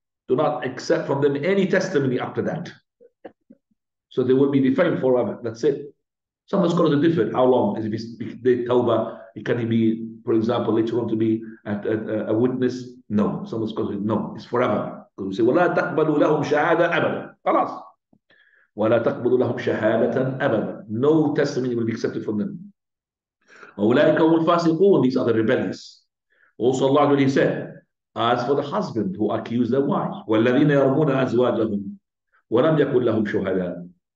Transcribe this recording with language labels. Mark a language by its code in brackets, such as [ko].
[en] Do not accept from them any testimony after that. So they will be defamed forever. That's it. Some of the scholars are different. How long? Is it the tawbah? Can he be, for example, later on to be a witness? No. Someone's going to say, no, it's forever. Because we say, [ar] وَلَا تَقْبَلُوا لَهُمْ شَهَادَةً أَبَدًا. خلاص. وَلَا تَقْبَلُوا لَهُمْ شَهَادَةً أَبَدًا. [en] No testimony will be accepted from them. [ar] وَأُولَٰئِكَ هُمُ الْفَاسِقُونَ. [en] These are the rebellious. Also Allah really said, as for the husband who accused their wife, [ar] وَالَّذِينَ يَرْمُونَ أَزْوَاجَهُمْ وَلَمْ يَكُنْ لَهُمْ شُهَدَاءً.